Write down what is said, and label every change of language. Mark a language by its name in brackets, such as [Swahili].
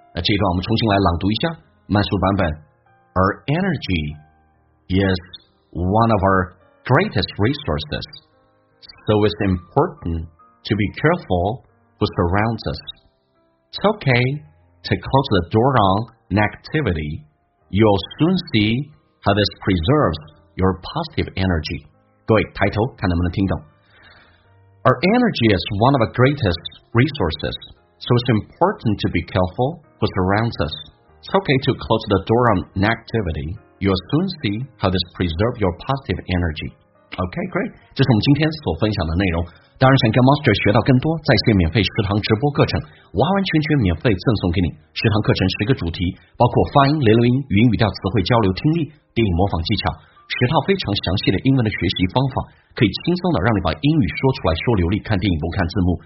[Chinese] 那这段我们重新来朗读一下，慢速版本。 [English] Our energy is one of our greatest resources, so it's important to be careful who surrounds us. It's okay to close the door on an activity. You'll soon see how this preserves your positive energy. [Chinese] 各位，抬头看能不能听懂。 [English] Our energy is one of our greatest resources, so it's important to be careful who surrounds us. It's okay to close the door on an activity. You'll soon see how this preserves your positive energy. Okay, great. [Chinese] 这是我们今天所分享的内容。当然，想跟 Monster 学到更多，在线免费食堂直播课程，完完全全免费赠送给你。食堂课程十个主题，包括发音、连读音、语音语调、词汇交流、听力、电影模仿技巧。十套非常详细的英文的学习方法，可以轻松的让你把英语说出来说流利，看电影不看字幕。